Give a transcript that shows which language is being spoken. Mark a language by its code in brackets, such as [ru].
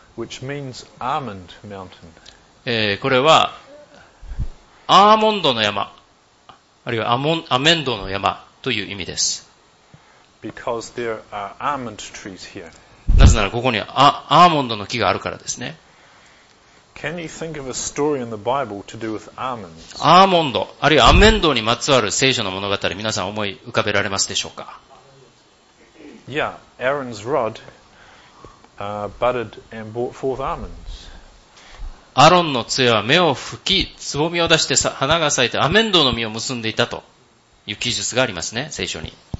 [en] Which means almond mountain. [ja] これは、アーモンドの山、あるいはアメンドの山という意味です。 [en] Because there are almond trees here. [ja] なぜならここにアーモンドの木があるからですね。 [en] Can you think of a story in the Bible to do with almonds? [ja] アーモンド、あるいはアメンドにまつわる聖書の物語、皆さん思い浮かべられますでしょうか？ [en] Yeah, Aaron's rod, budded and brought forth almonds. [ja] アロンの杖は芽を吹き、つぼみを出して花が咲いてアメンドの実を結んでいたという記述がありますね、聖書に。